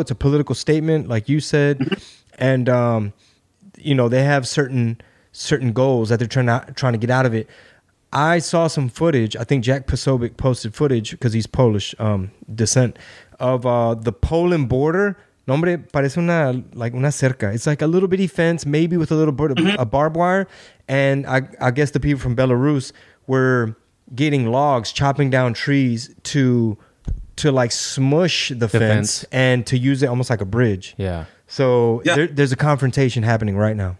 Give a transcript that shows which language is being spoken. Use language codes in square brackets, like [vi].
[en] It's a political statement, like you said. Mm-hmm. And they have certain goals that they're trying to get out of it. I saw some footage. I think Jack Posobiec posted footage because he's Polish descent of the Poland border. [es] Nombre, parece una cerca. [en] It's like a little bitty fence, maybe with a little bit of mm-hmm. a barbed wire. And I guess the people from Belarus were getting logs, chopping down trees to like smush the fence and to use it almost like a bridge. Yeah. So yeah. There's a confrontation happening right now.